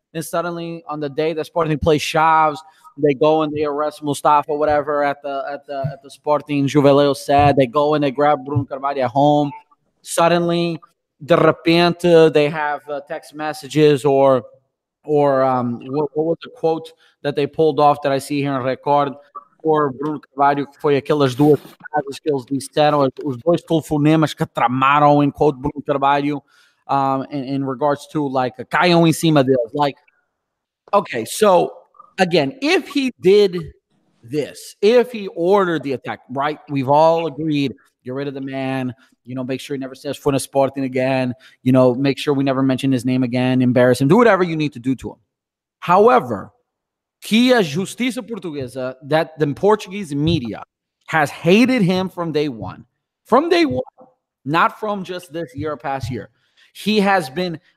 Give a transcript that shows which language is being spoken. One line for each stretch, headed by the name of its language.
English: And suddenly, on the day that Sporting plays Chaves, they go and they arrest Mustafa, whatever, at the Sporting Juveleo said. They go and they grab Bruno Carvalho at home. Suddenly,
Portuguese: de repente,
English: they have text messages or what was the quote that they pulled off that I see here in Record?
Portuguese: Or Bruno Carvalho, que foi aquelas duas frases que eles disseram, os dois telefonemas que tramaram, em quote Bruno Carvalho,
English: in regards to, like,
Portuguese: caiam em cima deles.
English: Like, okay, so... Again, if he did this, if he ordered the attack, right? We've all agreed, get rid of the man, you know, make sure he never says Funa Sporting again, you know, make sure we never mention his name again, embarrass him, do whatever you need to do to him. However,
Portuguese: que a Justiça Portuguesa,
English: that the Portuguese media has hated him from day one, not from just this year or past year. He has been